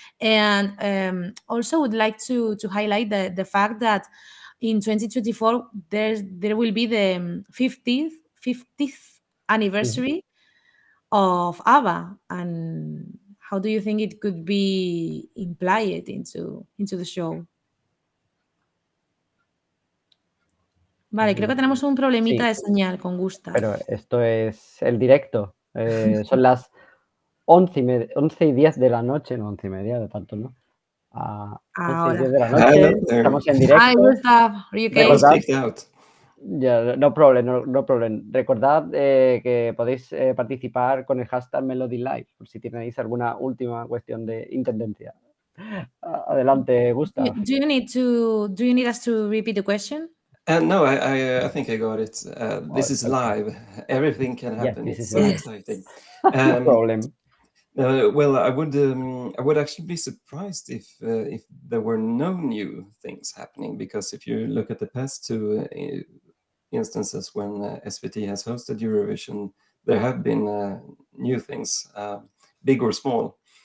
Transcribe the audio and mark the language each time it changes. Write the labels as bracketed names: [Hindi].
[English] And also would like to highlight the fact that in 2024 there will be the 50th anniversary of ABBA, and how do you think it could be implied into the show? [Spanish] Vale, creo que tenemos un problemita de señal con Gustav. Pero esto es el directo. Son las 11:10 de la noche, no 11:30 de tanto, ¿no? Estamos en directo. [English] Hi, Gustav. Are you okay? No problem. [Spanish] Recordad que podéis participar con el hashtag MelodiLive, por si tenéis alguna última cuestión de intendencia. Adelante, Gustav. [English] Do you need us to repeat the question? No, I think I got it. This is live. Everything can happen. Yes, it's very exciting. No problem. Well, I would actually be surprised if there were no new things happening, because if you look at the past two instances when SVT has hosted Eurovision, there have been new things, big or small.